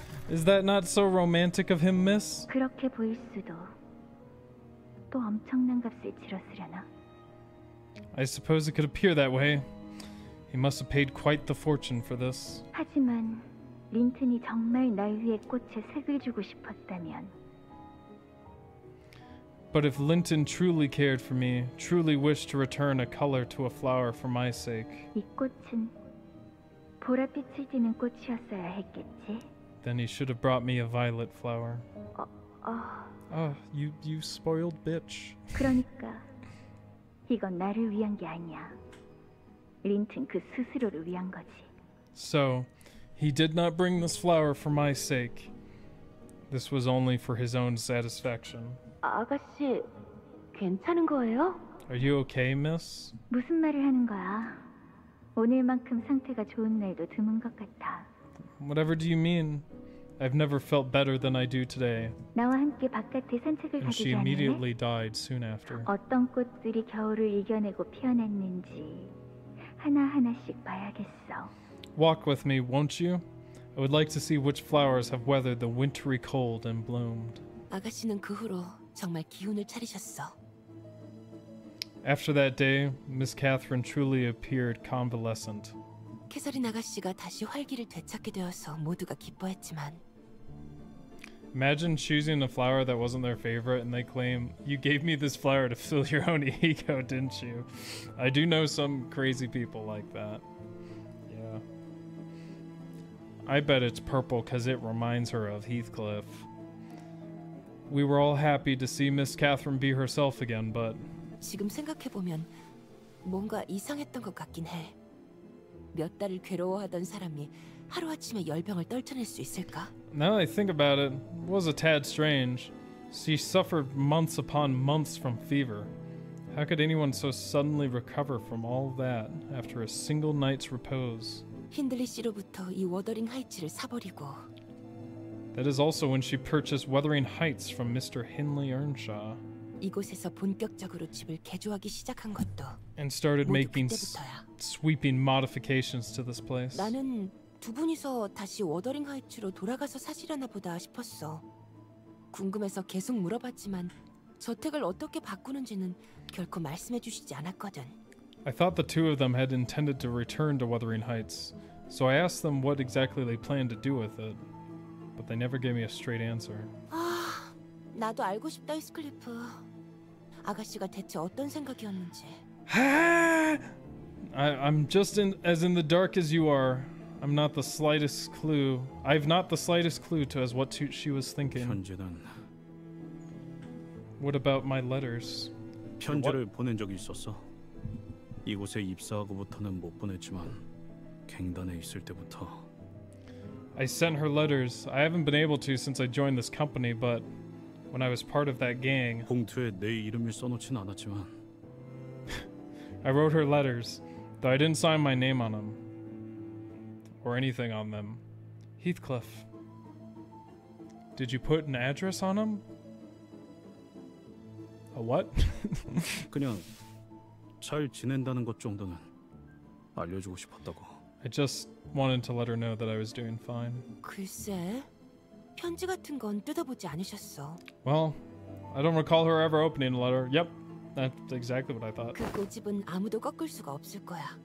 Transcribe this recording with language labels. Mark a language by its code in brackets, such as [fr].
[en] Is that not so romantic of him, miss? [ko] 그렇게 보일 수도. 또 엄청난 값을 치렀으려나? [en] I suppose it could appear that way. He must have paid quite the fortune for this. [ko] 하지만 린튼이 정말 날 위해 꽃에 색을 주고 싶었다면. [en] But if Linton truly cared for me, truly wished to return a color to a flower for my sake, [ko] 이 꽃은 보랏빛을 띠는 꽃이었어야 했겠지? [en] Then he should have brought me a violet flower. You spoiled bitch. [ko] 그러니까 이건 나를 위한 게 아니야. 린튼 그 스스로를 위한 거지. [en] So, he did not bring this flower for my sake. This was only for his own satisfaction. [ko] 아가씨, 괜찮은 거예요? [en] Are you okay, miss? [ko] 무슨 말을 하는 거야? 오늘만큼 상태가 좋은 날도 드문 것 같아. [en] Whatever do you mean? I've never felt better than I do today. [ko] 나와 함께 바깥에 산책을 [en] and she immediately died soon after. [ko] 어떤 꽃들이 겨울을 이겨내고 피어났는지 하나하나씩 봐야겠어. [en] Walk with me, won't you? I would like to see which flowers have weathered the wintry cold and bloomed. [ko] 아가씨는 그 후로 정말 기운을 차리셨어. [en] After that day, Miss Catherine truly appeared convalescent. [ko] 캐서린 아가씨가 다시 활기를 되찾게 되어서 모두가 기뻐했지만. [en] Imagine choosing a flower that wasn't their favorite and they claim, you gave me this flower to fill your own ego, didn't you? I do know some crazy people like that. Yeah. I bet it's purple because it reminds her of Heathcliff. We were all happy to see Miss Catherine be herself again, but... [ko] 지금 생각해보면 뭔가 이상했던 것 같긴 해. 몇 달을 괴로워하던 사람이 하루아침에 열병을 떨쳐낼 수 있을까? [en] Now that I think about it, it was a tad strange. She suffered months upon months from fever. How could anyone so suddenly recover from all that after a single night's repose? [ko] 힌들리 씨로부터 이 워더링 하이츠를 사버리고. [en] That is also when she purchased Wuthering Heights from Mr. Hindley Earnshaw. [ko] 이곳에서 본격적으로 집을 개조하기 시작한 것도 [en] and started making sweeping modifications to this place. [ko] 나는 두 분이서 다시 워더링 하이츠로 돌아가서 사시려나 보다 싶었어. 궁금해서 계속 물어봤지만 저택을 어떻게 바꾸는지는 결코 말씀해 주시지 않았거든. [en] I thought the two of them had intended to return to Wuthering Heights, so I asked them what exactly they planned to do with it. But they never gave me a straight answer. [ko] 아, 나도 알고 싶다, 이스클리프. 아가씨가 대체 어떤 생각이었는지. [en] I'm just as in the dark as you are. I'm not the slightest clue. I've not the slightest clue to as what to, she was thinking. [ko] 편지는. [en] What about my letters? [ko] 편지를 [en] what? [ko] 보낸 적이 있었어. 이곳에 입사하고부터는 못 보냈지만 갱단에 있을 때부터. [en] I sent her letters. I haven't been able to since I joined this company, but when I was part of that gang. [ko] 봉투에 내 이름을 써놓진 않았지만. [en] I wrote her letters, though I didn't sign my name on them. Or anything on them. Heathcliff. Did you put an address on them? A what? [ko] 그냥 잘 지낸다는 것 정도는 알려주고 싶었다고. [en] I just wanted to let her know that I was doing fine. [ko] 글쎄, 편지 같은 건 뜯어보지 않으셨어. [en] Well, I don't recall her ever opening a letter. Yep, that's exactly what I thought. [ko] 그 꽃집은 아무도 꺾을 수가 없을 거야.